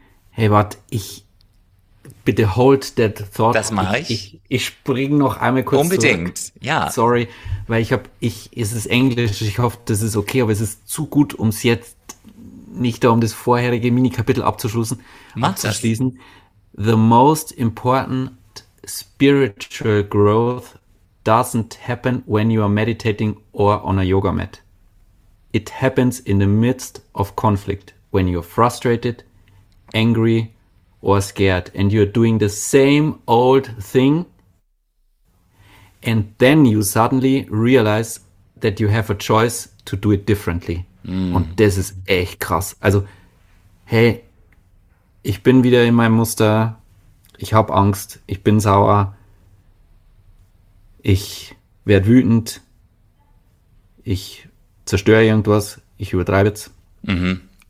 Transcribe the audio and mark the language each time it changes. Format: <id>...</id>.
<de>Hey, warte, ich bitte</de> <en>hold that thought.</en> <de>Das mache ich. Ich springe noch einmal kurz unbedingt zurück. Unbedingt, ja. Sorry, weil es ist Englisch, ich hoffe, das ist okay, aber es ist zu gut, um es jetzt nicht da, um das vorherige Mini-Kapitel abzuschließen. Mach das.</de> <en>The most important spiritual growth doesn't happen when you are meditating or on a yoga mat. It happens in the midst of conflict, when you're frustrated, angry or scared and you're doing the same old thing And then you suddenly realize that you have a choice to do it differently.</en> <de>Mm. Und das ist echt krass. Also, hey, ich bin wieder in meinem Muster. Ich habe Angst. Ich bin sauer. Ich werde wütend. Ich zerstöre irgendwas. Ich übertreibe es. Mhm.</de>